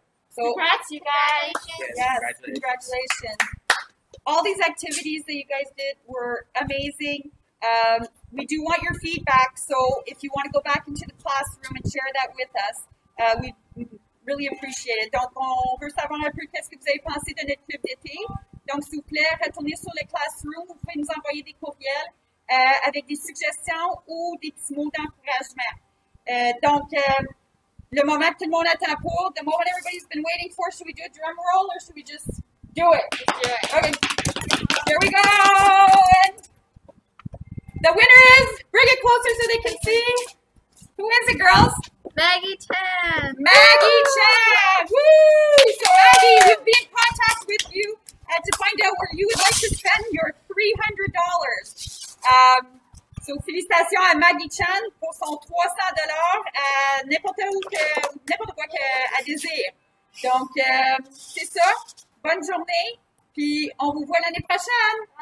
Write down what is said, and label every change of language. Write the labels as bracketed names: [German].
[English] So, congrats, you guys. Yes, congratulations. All these activities that you guys did were amazing. We do want your feedback. So if you want to go back into the classroom and share that with us, we'd really appreciate it. [French] Donc, on veut savoir un peu qu'est-ce que vous avez pensé de notre club d'été. Donc, s'il vous plaît, retournez sur le classroom. Vous pouvez nous envoyer des courriels. Avec des suggestions ou des petits mots d'encouragement. Donc, le moment que tout le monde attend pour, [English] the moment everybody's been waiting for, should we do a drum roll or should we just do it? Okay, here we go! And the winner is, bring it closer so they can see. Who is it, girls? Maggie Chan. Maggie Chan! Woo! So, Maggie, we'll be in contact with you to find out where you would like to spend your $300. [French] So félicitations à Maggie Chan pour son $300 à n'importe quoi qu'elle désire. Donc, c'est ça. Bonne journée. Puis, on vous voit l'année prochaine.